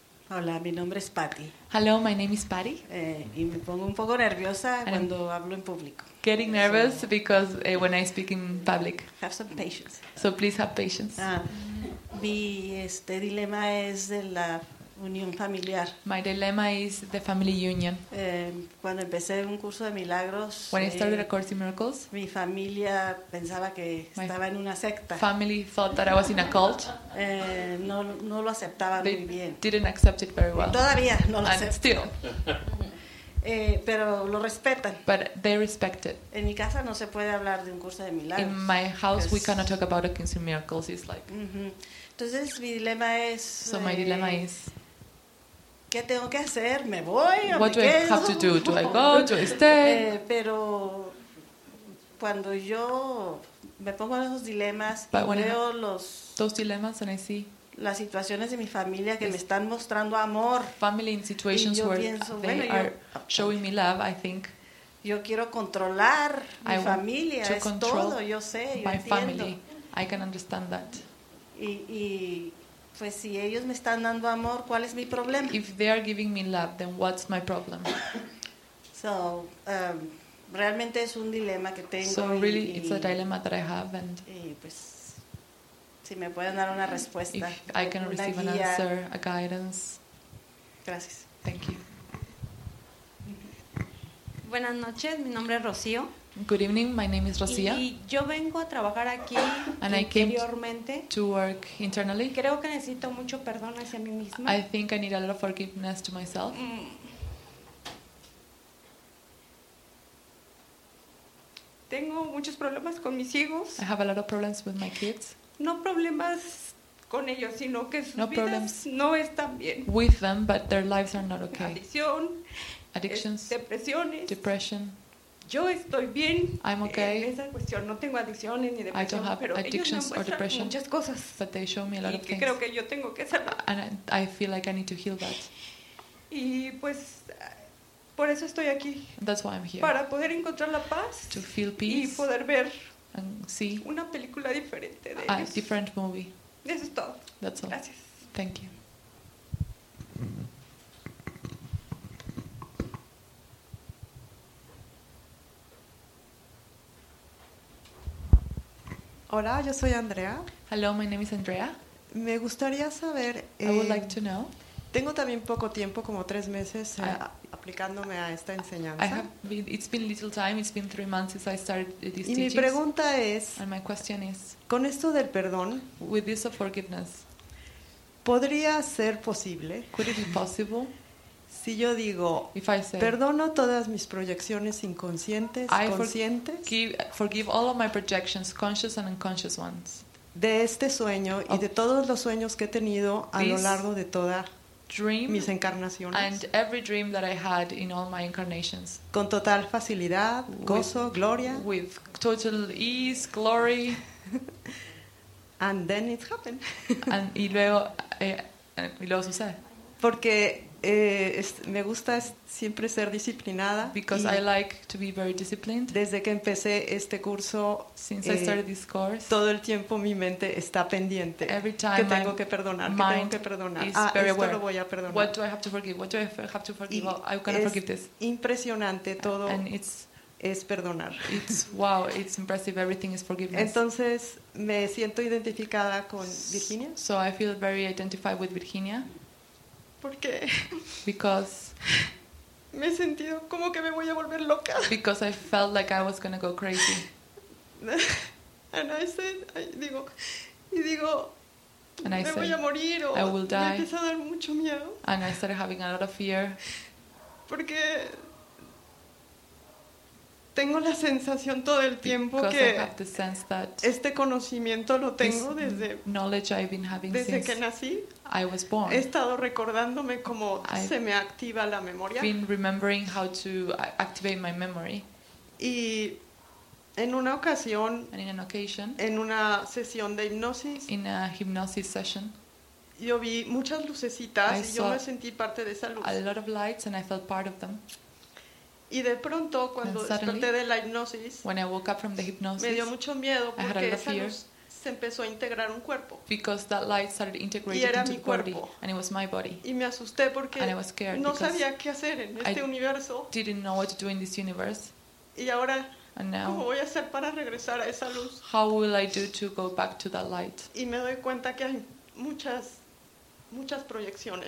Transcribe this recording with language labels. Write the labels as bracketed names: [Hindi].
[Spanish] Hola, mi nombre es Patty. [English] Hello, my name is Patty. [Spanish] Y me pongo un poco nerviosa cuando hablo en público. [English] Getting nervous because when I speak in public. Have some patience. So please have patience. [Spanish] Mi dilema es de la unión familiar. [English] My dilemma is the family union. [Spanish] Cuando empecé un curso de milagros, [English] when I started A Course in Miracles, [Spanish] mi familia pensaba que estaba en una secta. [English] Family thought that I was in a cult. [Spanish] No lo aceptaban muy bien. [English] Didn't accept it very well. [Spanish] Todavía no lo aceptan. [English] And still. [Spanish] Pero lo respetan. [English] But they respect it. [Spanish] En mi casa no se puede hablar de un curso de milagros. [English] In my house we cannot talk about A Course in Miracles. It's like. [Spanish] Entonces mi dilema es. [English] So my dilemma is. [Spanish] ¿Qué tengo que hacer? ¿Me voy o [English] what [Spanish] me quedo? [English] What do I have to do? Do I go? Do I stay? [Spanish] Pero cuando yo me pongo en esos dilemas, y veo los [English] those dilemmas and I see [Spanish] las situaciones de mi familia que me están mostrando amor. [English] Family in situations [Spanish] y yo [English] where [Spanish] pienso, [English] they [Spanish] bueno, [English] are [Spanish] yo, [English] showing me love, I think. [Spanish] Yo quiero controlar mi [English] I [Spanish] familia, [English] to [Spanish] es todo, yo sé, yo [English] my [Spanish] entiendo. [English] Family. I can understand that. [Spanish] Y pues si ellos me están dando amor, ¿cuál es mi problema? [English] If they are giving me love, then what's my problem? [Spanish] So, realmente es un dilema que tengo. [English] So really, it's a dilemma that I have. And [Spanish] pues, si me pueden dar una respuesta, [English] if I can receive guía, an answer, a guidance. [Spanish] Gracias. [English] Thank you. [Spanish] Buenas noches, mi nombre es Rocío. [English] Good evening, my name is Rocío. [Spanish] Y yo vengo a trabajar aquí interiormente. [English] I came to work internally. [Spanish] Creo que necesito mucho perdón hacia mí misma. [English] I think I need a lot of forgiveness to myself. [Spanish] Tengo muchos problemas con mis hijos. [English] I have a lot of problems with my kids. [Spanish] No problemas con ellos, sino que sus vidas no están bien. [English] With them, but their lives are not okay. [Spanish] Adicción. [English] Addictions, [Spanish] depresiones. [English] Depression. [Spanish] Yo estoy bien. [English] I'm okay. [Spanish] Esa cuestión, no tengo adicciones ni depresión. [English] I don't have addictions or depression. [Spanish] Muchas cosas. [English] But they show me a lot of things. [Spanish] Creo que yo tengo que sanar. [English] And I feel like I need to heal that. [Spanish] Y pues, por eso estoy aquí. [English] That's why I'm here. [Spanish] Para poder encontrar la paz. [English] To feel peace. [Spanish] Y poder ver. [English] And see. [Spanish] Una película diferente de ellos. [English] A different movie. [Spanish] Eso es todo. [English] That's all. [Spanish] Gracias. [English] Thank you. [Spanish] Hola, yo soy Andrea. [English] Hello, my name is Andrea. [Spanish] Me gustaría saber. [English] I would like to know. [Spanish] Tengo también poco tiempo, como 3 meses, aplicándome a esta enseñanza. [English] It's been little time. It's been 3 months since I started this teaching. [Spanish] Y mi pregunta es. [English] And my question is. [Spanish] Con esto del perdón. [English] With this of forgiveness. [Spanish] ¿Podría ser posible? [English] Could it be possible? [Spanish] Si yo digo, [English] if I say, [Spanish] perdono todas mis proyecciones inconscientes, conscientes. [English] Forgive all of my projections, conscious and unconscious ones. [Spanish] De este sueño y de todos los sueños que he tenido a lo largo de todas mis encarnaciones. [English] And every dream that I had in all my incarnations. [Spanish] Con total facilidad, gozo, gloria. [English] With total ease, glory. And then it happened. [Spanish] y luego sucede. Porque me gusta siempre ser disciplinada. [English] Because I like to be very disciplined. [Spanish] Desde que empecé este curso, [English] since I started this course, [Spanish] todo el tiempo mi mente está pendiente. [English] Every time [Spanish] que tengo que perdonar, que tengo que perdonar. Ah, esto lo voy a perdonar. [English] What do I have to forgive? What do I have to forgive? Well, I'm gonna forgive this. [Spanish] Impresionante todo. [English] And it's [Spanish] es perdonar. [English] It's wow, it's impressive, everything is forgiveness. [Spanish] Entonces me siento identificada con Virginia. [English] So I feel very identified with Virginia. [Spanish] Porque [English] because [Spanish] me he sentido como que me voy a volver loca. [English] Because I felt like I was going to go crazy. And I said, [Spanish] me voy a morir, [English] I will die. [Spanish] Me empezó a dar mucho miedo. [English] And I started having a lot of fear. [Spanish] Porque tengo la sensación todo el tiempo que [English] I have the sense that [Spanish] este conocimiento lo tengo desde [English] knowledge I've been having [Spanish] desde [English] since [Spanish] que nací. [English] I was born. [Spanish] He estado recordándome cómo se me activa la memoria. [English] I've been remembering how to activate my memory. [Spanish] Y en una ocasión, [English] and in an occasion, [Spanish] en una sesión de hipnosis, [English] in a hypnosis session, [Spanish] yo vi muchas lucecitas y yo me sentí parte de esa luz. [English] A lot of lights and I felt part of them. [Spanish] Y de pronto, cuando desperté de la hipnosis, [English] when I woke up from the hypnosis, [Spanish] me dio mucho miedo porque esa [English] fear [Spanish] luz se empezó a integrar un cuerpo. [English] Because that light started integrating [Spanish] y era [English] into [Spanish] mi cuerpo. [English] Body, and it was my body. [Spanish] Y me asusté porque [English] and I was scared [Spanish] no sabía qué hacer en este [English] I [Spanish] universo. [English] Didn't know what to do in this universe. [Spanish] Y ahora, [English] and now, [Spanish] ¿cómo voy a hacer para regresar a esa luz? [English] How will I do to go back to that light? [Spanish] Y me doy cuenta que hay muchas, muchas proyecciones.